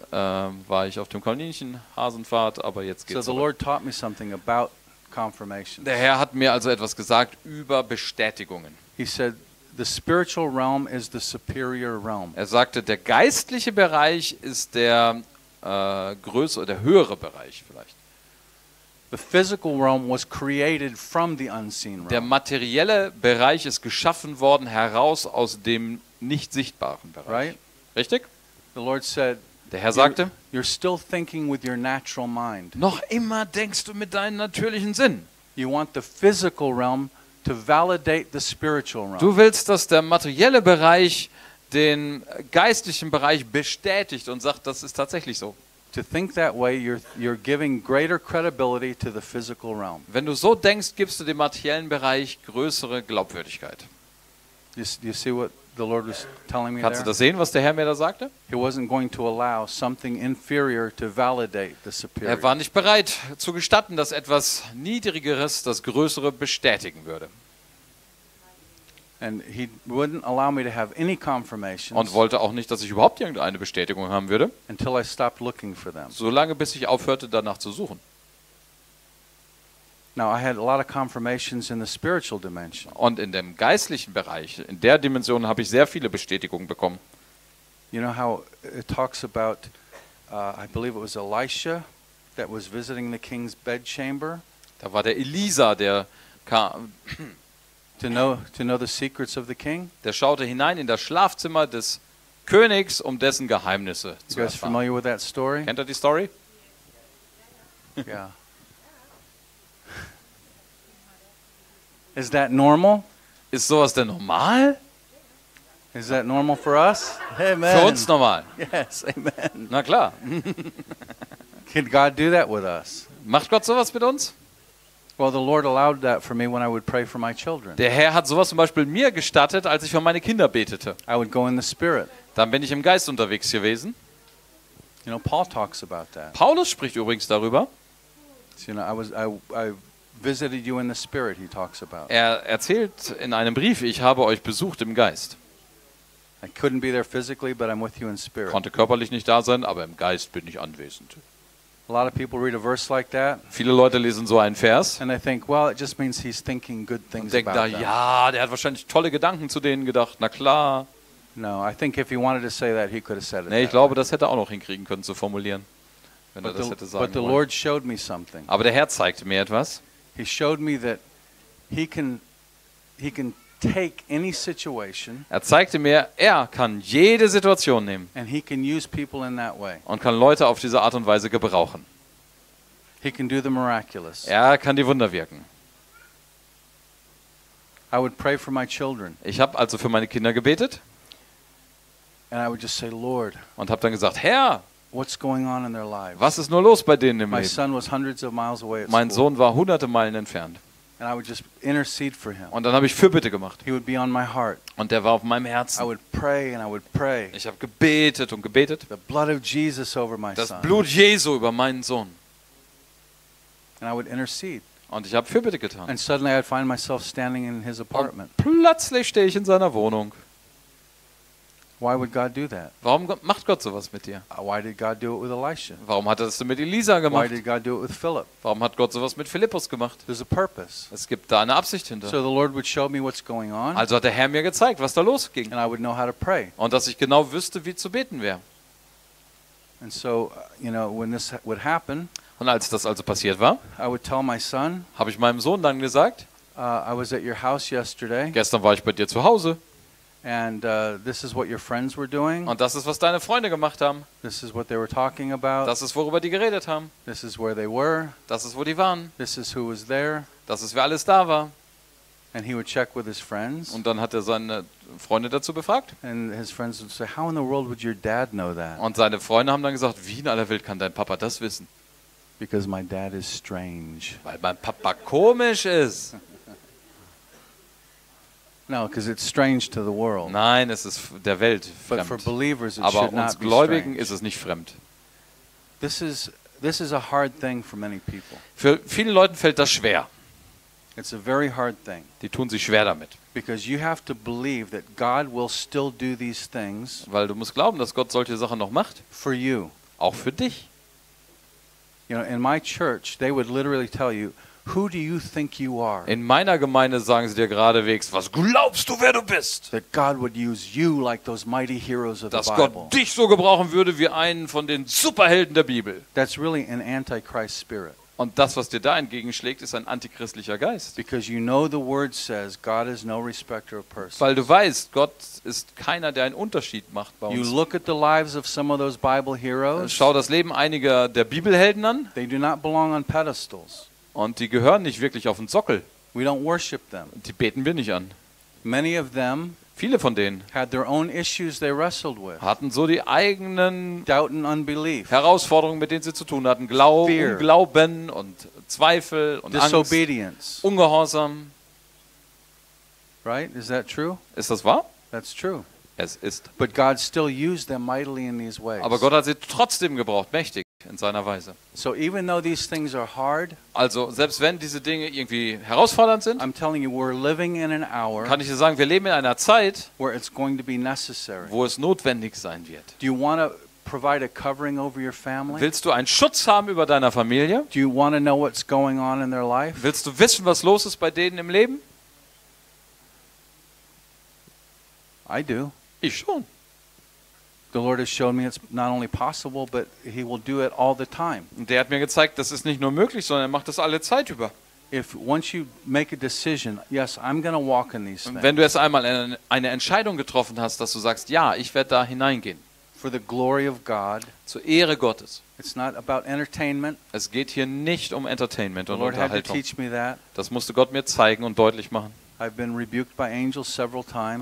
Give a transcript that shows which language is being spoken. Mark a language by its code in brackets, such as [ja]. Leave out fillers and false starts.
[de] War ich auf dem Kaninchen-Hasenpfad, aber jetzt geht's. [en] So the Lord taught me something about confirmations. [de] Der Herr hat mir also etwas gesagt über Bestätigungen. [en] He said, the spiritual realm is the superior realm. [de] Er sagte, der geistliche Bereich ist der größere, der höhere Bereich vielleicht. [en] The physical realm was created from the unseen realm. [de] Der materielle Bereich ist geschaffen worden heraus aus dem nicht sichtbaren Bereich. [en] Right? [de] Richtig? [en] The Lord said, [de] der Herr sagte, [en] you're still thinking with your natural mind. [de] Noch immer denkst du mit deinem natürlichen Sinn. [en] You want the physical realm to validate the spiritual realm. [de] Du willst, dass der materielle Bereich den geistlichen Bereich bestätigt und sagt, das ist tatsächlich so. [en] To think that way, you're giving greater credibility to the physical realm. [de] Wenn du so denkst, gibst du dem materiellen Bereich größere Glaubwürdigkeit. [en] You see what the Lord was telling me. [de] Kannst du das sehen, was der Herr mir da sagte? [en] He wasn't going to allow something inferior to validate the superior. [de] Er war nicht bereit zu gestatten, dass etwas Niedrigeres das Größere bestätigen würde. [en] And he wouldn't allow me to have any confirmations. [de] Und wollte auch nicht, dass ich überhaupt irgendeine Bestätigung haben würde. [en] Until I stopped looking for them. [de] Solange bis ich aufhörte danach zu suchen. [en] Now I had a lot of confirmations in the spiritual dimension. [de] Und in dem geistlichen Bereich, in der Dimension habe ich sehr viele Bestätigungen bekommen. [en] You know how it talks about I believe it was Elisha that was visiting the king's bedchamber. [de] Da war der Elisa, der kam [en] to know the secrets of the king. [de] Der schaute hinein in das Schlafzimmer des Königs, um dessen Geheimnisse zu erfahren. [en] You guys familiar with that story? [de] Kennt ihr die Story? [en] Yeah. Is that normal? [de] Ist sowas denn normal? [en] Is that normal for us? [de] Hey, amen. Für uns normal. [en] Yes, amen. [de] Na klar. [en] Can God do that with us? [de] Macht Gott sowas mit uns? [en] Well, the Lord allowed that for me when I would pray for my children. [de] Der Herr hat sowas zum Beispiel mir gestattet, als ich für meine Kinder betete. [en] I would go in the spirit. [de] Dann bin ich im Geist unterwegs gewesen. [en] You know, Paul talks about that. [de] Paulus spricht übrigens darüber. [en] You know, I was I visited you in the spirit, he talks about. [de] Er erzählt in einem Brief, ich habe euch besucht im Geist. [en] I couldn't be there physically, but I'm with you in spirit. [de] Konnte körperlich nicht da sein, aber im Geist bin ich anwesend. [en] A lot of people read a verse like that. [de] Viele Leute lesen so einen Vers. [en] And I think, well, it just means he's thinking good things about them. [de] Denkt da, ja, der hat wahrscheinlich tolle Gedanken zu denen gedacht. Na klar. [en] No, I think if he wanted to say that, he could have said it. [de] Nee, ich glaube, das hätte er auch noch hinkriegen können zu formulieren, wenn er das hätte sagen wollen. [en] But the Lord showed me something. [de] Aber der Herr zeigte mir etwas. [en] He showed me that he can take any situation. [de] Er zeigte mir, er kann jede Situation nehmen. [en] And he can use people in that way. [de] Und kann Leute auf diese Art und Weise gebrauchen. [en] He can do the miraculous. [de] Er kann die Wunder wirken. [en] I would pray for my children. [de] Ich habe also für meine Kinder gebetet. [en] And I would just say, Lord. [de] Und habe dann gesagt, Herr. [en] What's going on in their lives? [de] Was ist nur los bei denen im Leben? [en] My son was hundreds of miles away at school. [de] Mein Sohn war hunderte Meilen entfernt. [en] And I would just intercede for him. [de] Und dann habe ich Fürbitte gemacht. [en] He would be on my heart. [de] Und der war auf meinem Herzen. [en] I would pray and I would pray. [de] Ich habe gebetet und gebetet. [en] The blood of Jesus over my son. [de] Das Blut Jesu über meinen Sohn. [en] And I would intercede. [de] Und ich habe Fürbitte getan. [en] And suddenly I'd find myself standing in his apartment. [de] Und plötzlich stehe ich in seiner Wohnung. [en] Why would God do that? [de] Warum macht Gott sowas mit dir? [en] Why did God do it with Elisha? [de] Warum hat er das mit Elisa gemacht? [en] Why did God do it with Philip? [de] Warum hat Gott sowas mit Philippus gemacht? [en] There's a purpose. [de] Es gibt da eine Absicht hinter. [en] So the Lord would show me what's going on. [de] Also hat der Herr mir gezeigt, was da losging. [en] And I would know how to pray. [de] Und dass ich genau wüsste, wie zu beten wäre. [en] And so, you know, when this would happen, [de] und als das also passiert war, [en] I would tell my son, [de] habe ich meinem Sohn dann gesagt, [en] I was at your house yesterday. [de] Gestern war ich bei dir zu Hause. [en] And this is what your friends were doing. [de] Und das ist, was deine Freunde gemacht haben. [en] This is what they were talking about. [de] Das ist, worüber die geredet haben. [en] This is where they were. [de] Das ist, wo die waren. [en] This is who was there. [de] Das ist, wer alles da war. [en] And he would check with his friends. [de] Und dann hat er seine Freunde dazu befragt. [en] And his friends would say, "How in the world would your dad know that?" [de] Und seine Freunde haben dann gesagt, wie in aller Welt kann dein Papa das wissen? [en] Because my dad is strange. [de] Weil mein Papa komisch ist. [en] No, because it's strange to the world. [de] Nein, es ist der Welt fremd. [en] But for believers, it [de] aber [en] should not [de] uns Gläubigen ist es nicht fremd. [en] This is a hard thing for many people. [de] Für viele Leute fällt das schwer. [en] It's a very hard thing. [de] Die tun sich schwer damit. [en] Because you have to believe that God will still do these things. [de] Weil du musst glauben, dass Gott solche Sachen noch macht. [en] For you. [de] Auch für dich. [en] You know, in my church, they would literally tell you, who do you think you are? [de] In meiner Gemeinde sagen sie dir geradewegs, was glaubst du, wer du bist? [en] That God would use you like those mighty heroes of the Bible. [de] Dass Gott dich so gebrauchen würde wie einen von den Superhelden der Bibel. [en] That's really an antichrist spirit. [de] Und das, was dir da entgegenschlägt, ist ein antichristlicher Geist. [en] Because you know the word says God is no respecter of persons. [de] Weil du weißt, Gott ist keiner, der einen Unterschied macht bei uns. [en] You look at the lives of some of those Bible heroes. [de] Schau das Leben einiger der Bibelhelden an. [en] They do not belong on pedestals. [de] Und die gehören nicht wirklich auf den Sockel. [en] We don't worship them. [de] Die beten wir nicht an. [en] Many of them, [de] viele von denen, [en] had their own issues they wrestled with. [de] Hatten so die eigenen [en] doubt and unbelief. [de] Herausforderungen, mit denen sie zu tun hatten. Glauben und Zweifel und [en] Disobedience. [de] Angst. Ungehorsam. [en] Right? Is that true? [de] Ist das wahr? [en] That's true. [de] Es ist. [en] But God still used them mightily in these ways. [de] Aber Gott hat sie trotzdem gebraucht, mächtig. In seiner Weise. [en] So even though these things are hard, [de] also selbst wenn diese Dinge irgendwie herausfordernd sind, [en] I'm telling you, we're living in an hour, [de] kann ich dir sagen, wir leben in einer Zeit, [en] where it's going to be necessary. [de] Wo es notwendig sein wird. [en] Do you want to provide a covering over your family? [de] Willst du einen Schutz haben über deiner Familie? [en] Do you want to know what's going on in their life? [de] Willst du wissen, was los ist bei denen im Leben? [en] I do. [de] Ich schon. [en] The Lord has shown me it's not only possible, but he will do it all the time. [de] Der hat mir gezeigt, das ist nicht nur möglich, sondern er macht das alle Zeit über. [en] If once you make a decision, yes, I'm going to walk in these things. [de] Wenn du erst einmal eine Entscheidung getroffen hast, dass du sagst, ja, ich werde da hineingehen. [en] For the glory of God. [de] Zur Ehre Gottes. [en] It's not about entertainment. [de] Es geht hier nicht um Entertainment und Unterhaltung. [en] The Lord had to teach me that. [de] Das musste Gott mir zeigen und deutlich machen. [en] I've been rebuked by angels several times.